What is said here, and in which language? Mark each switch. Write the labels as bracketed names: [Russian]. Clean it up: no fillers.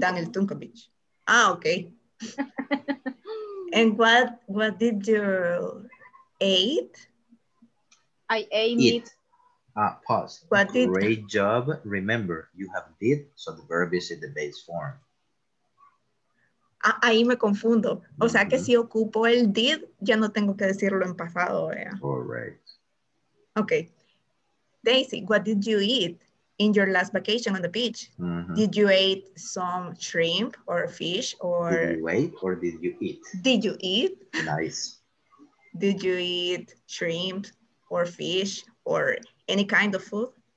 [English] Than El Tunco Beach. Ah, okay. And what did you eat? I ate meat. Ah, pause. Great job. Remember, you have did, so the verb is in the base form. [Spanish] Ahí me confundo. Mm-hmm. O sea que si ocupo el did, ya no tengo que decirlo en pasado. [English] Yeah. All right. Okay. Daisy, what did you eat in your last vacation on the beach? Mm-hmm. Did you eat some shrimp or fish or? Did you wait or did you eat? Did you eat? Nice. Did you eat shrimp or fish or any kind of food?